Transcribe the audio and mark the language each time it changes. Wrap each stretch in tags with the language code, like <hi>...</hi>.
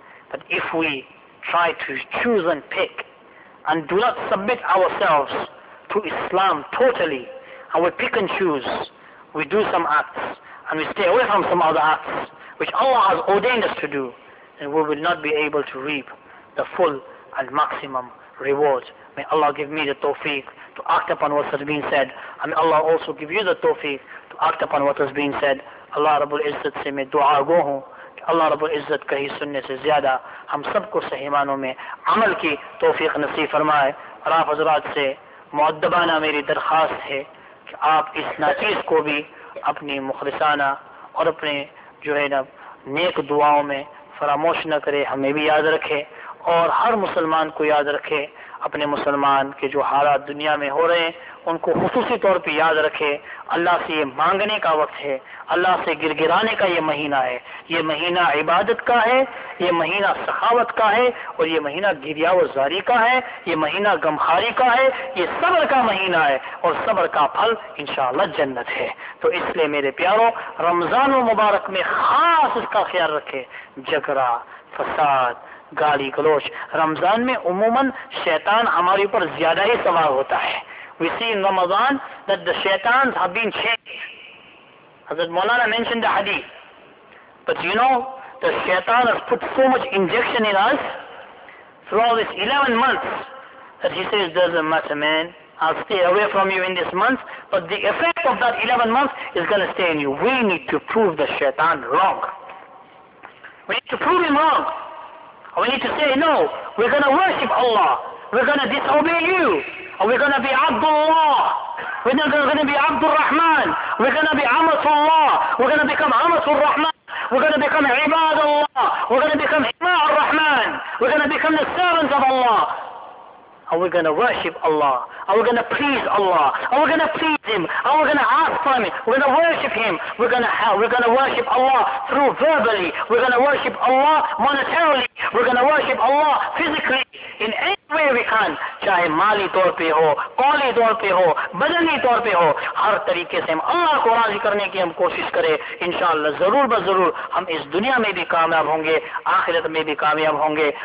<en>But if we try to choose and pick and do not submit ourselves to Islam totally, and we pick and choose, we do some acts and we stay away from some other acts which Allah has ordained us to do, then we will not be able to reap the full and maximum reward. May Allah give me the tawfiq to act upon what has been said, and may Allah also give you the tawfiq to act upon what has been said.</en> <ur>Allah Rabbul Izzat se main dua go hoon. اللہ رب العزت کہی سننے سے زیادہ ہم سب کو صحیح معنوں میں عمل کی توفیق نصیب فرمائے. اور آپ حضرات سے مؤدبانہ میری درخواست ہے کہ آپ اس ناچیز کو بھی اپنی مخلصانہ اور اپنے جو ہے نا نیک دعاؤں میں فراموش نہ کرے, ہمیں بھی یاد رکھے اور ہر مسلمان کو یاد رکھے. اپنے مسلمان کے جو حالات دنیا میں ہو رہے ہیں ان کو خصوصی طور پر یاد رکھے. اللہ سے یہ مانگنے کا وقت ہے, اللہ سے گرگرانے کا یہ مہینہ ہے, یہ مہینہ عبادت کا ہے, یہ مہینہ سخاوت کا ہے, اور یہ مہینہ گریہ و زاری کا ہے, یہ مہینہ غمخاری کا ہے, یہ صبر کا مہینہ ہے, اور صبر کا پھل انشاءاللہ جنت ہے. تو اس لیے میرے پیاروں رمضان و مبارک میں خاص اس کا خیال رکھے, جھگڑا فساد گالی گلوچ. رمضان میں عموماً شیطان ہمارے اوپر زیادہ ہی سوار ہوتا ہے.</ur> <en>We see in Ramadan that the shaitans have been changed. Hazrat Maulana mentioned the hadith. But you know, the shaitan has put so much injection in us throughout this 11 months that he says, doesn't matter man, I'll stay away from you in this month, but the effect of that 11 months is going to stay in you. We need to prove the shaitan wrong. We need to prove him wrong. We need to say, no, we're going to worship Allah. We're going to disobey you. We're going to be Abdullah. We're going to be Abdul Rahman. We're going to be Amatullah. We're going to become Amatul Rahman. We're going to become Ibadullah. We're going to become Ima'ul Rahman. We're going to become the servants of Allah. And we're going to worship Allah. And we're going to please Allah. And we're going to please Him. And we're going to ask for Him. We're going to worship Him. We're going to worship Allah through verbally. We're going to worship Allah monetarily. We're going to worship Allah physically. In any way we can.</en> <ur>چاہے مالی طور پہ ہو, قولی طور پہ ہو, بدنی طور پہ ہو, ہر طریقے سے ہم اللہ کو راضی کرنے کی ہم کوشش کرے, انشاءاللہ ضرور بضرور ہم اس دنیا میں بھی کامیاب ہوں گے, آخرت میں بھی کامیاب ہوں گے.</ur>